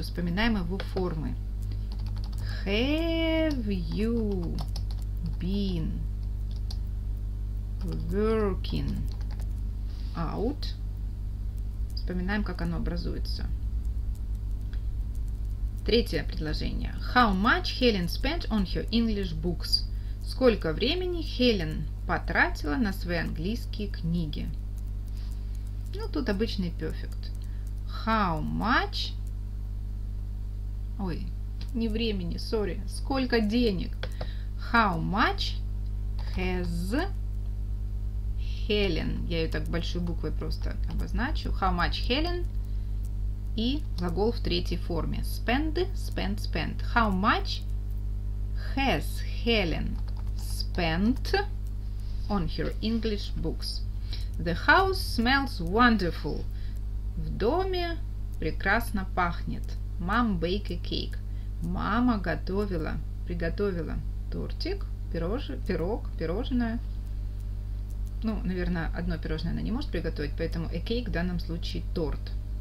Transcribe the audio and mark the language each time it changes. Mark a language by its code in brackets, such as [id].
[ru] Вспоминаем его формы. [en] Have you been working out? [ru] Вспоминаем, как оно образуется. 3 предложение. [en] How much Helen spent on her English books? [ru] Сколько времени Helen потратила на свои английские книги? Ну, тут обычный perfect. [en] How much... [ru] Ой, не времени, sorry. Сколько денег? [en] How much has... Helen. [ru] Я ее так большой буквой просто обозначу. [en] How much Helen? [ru] И глагол в третьей форме. [en] Spend, spend, spend. How much has Helen spent on her English books? The house smells wonderful. [ru] В доме прекрасно пахнет. [en] Mom baked a cake. [ru] Мама готовила, приготовила тортик, пирог, пирожное. Ну, наверное, одно пирожное она не может приготовить, поэтому a cake в данном случае торт.